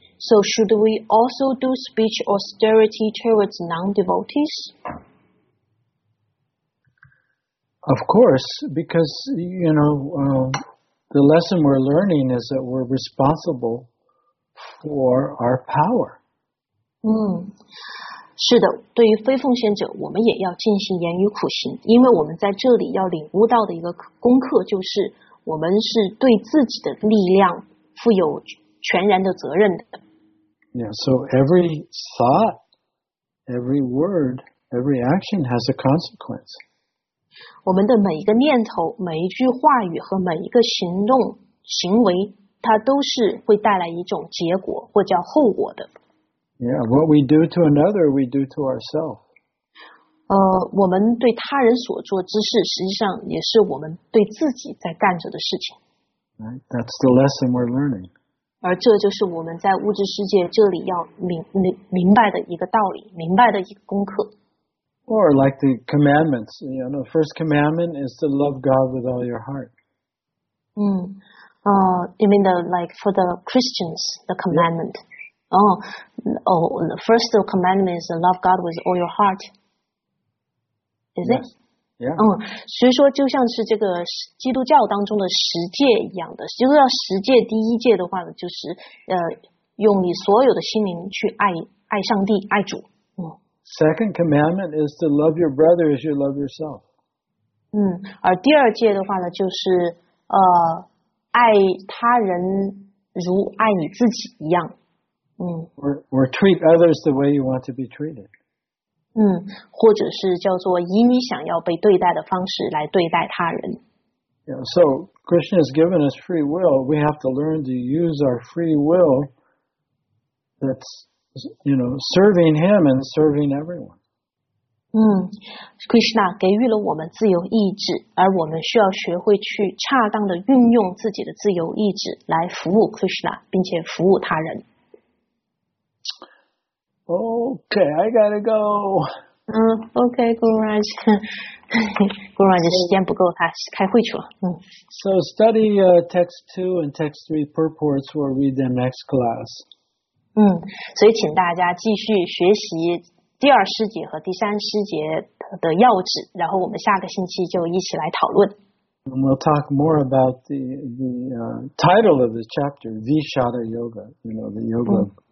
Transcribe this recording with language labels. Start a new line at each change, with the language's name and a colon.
English: So should we also do speech austerity towards non-devotees? Of course, because, you know, the lesson we're learning is that we're responsible for our power.
Chinese: 是的，对于非奉献者，我们也要进行言语苦行，因为我们在这里要领悟到的一个功课就是，我们是对自己的力量负有全然的责任的。
English: Yeah, so every thought, every word, every action has a consequence.
Chinese: 我们的每一个念头、每一句话语和每一个行动、行为，它都是会带来一种结果或叫后果的。
English: Yeah, what we do to another, we do to ourselves.
Chinese: 我们对他人所做之事，实际上也是我们对自己在干着的事情。
English: Right, that's the lesson we're learning.
Chinese: 而这就是我们在物质世界这里要明白的一个道理，明白的一个功课。
English: Or like the commandments, you know, the first commandment is to love God with all your heart. You mean the, like for the Christians, the commandment?、 Yeah. The first commandment is to love God with all your heart. Is、 yes. it? Yeah.
Chinese: 所以说就像是这个基督教当中的十诫一样的，基督教十诫第一诫的话呢，就是用你所有的心灵去爱上帝，爱主。
English: Second commandment is to love your brother as you love yourself.
Chinese: 而第二戒的话呢，就是爱他人如爱你自己一样。
English: Or treat others the way you want to be treated.
Chinese: 或者是叫做以你想要被对待的方式来对待他人。
English: Yeah, so Krishna has given us free will. We have to learn to use our free will. That's. You know, serving him and serving everyone.
Chinese: Krishna 给予了我们自由意志，而我们需要学会去恰当的运用自己的自由意志来服务 Krishna， 并且服务他人。
English: Okay, I gotta go.
Chinese: Okay, Guru Raj. Guru Raj 时间不够，他开会去了。
English: So study text 2 and text 3 purports. We'll read them next class.
Chinese: 所以请大家继续学习第二师节和第三师节的要旨，然后我们下个星期就一起来讨论。
English: And we'll talk more about the title of the chapter, Vishada Yoga, you know, the yoga.